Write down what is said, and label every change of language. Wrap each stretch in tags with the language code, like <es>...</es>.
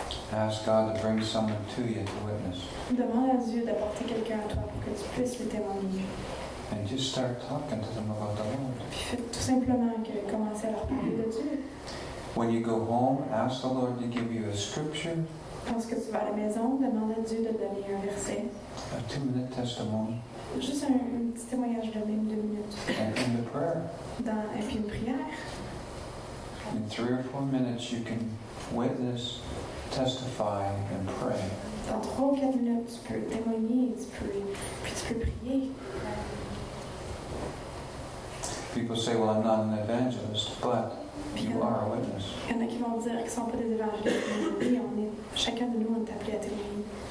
<en>Ask God to bring someone to you to witness. And just start talking to them about the Lord. When you go home, ask the Lord to give you a scripture.</en> <fr>Lorsque tu vas à la maison, demande à Dieu de donner un verset.</fr> <en>A 2 minute testimony.</en> <fr>Juste un petit témoignage de même 2 minutes.</fr> <en>And in the prayer.</en> <fr>Et puis une prière.</fr> <en>In 3 or 4 minutes, you can witness, testify, and pray.</en> <fr>Dans 3 ou 4 minutes, tu peux témoigner, tu peux prier.</fr> <en>People say, well, I'm not an evangelist, but you are a witness.</en> <fr>Il y en a qui vont dire qu'ils ne sont pas des évangélistes, mais on est, chacun de nous, on est appelé à témoigner.</fr>